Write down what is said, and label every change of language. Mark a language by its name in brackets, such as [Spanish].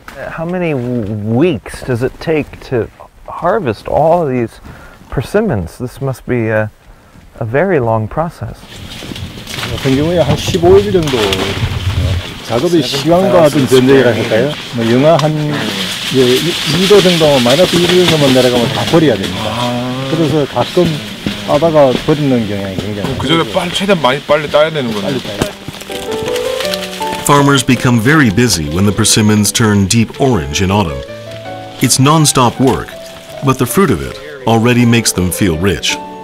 [English] How many weeks does it take to harvest all of these persimmons? This must be a very long process. [Korean] 평균은 한 15일 정도 작업이 시간과 좀 전쟁이라 할까요? 뭐 영하 한 2도 정도 마이너스 1도 정도만 내려가면 다 버려야 됩니다. 그래서 가끔 빠다가 버리는 경향이 굉장히 그 전에 최대한 많이 빨리 따야 되는 거예요. [English] Farmers become very busy when the persimmons turn deep orange in autumn. It's non-stop work, but the fruit of it already makes them feel rich.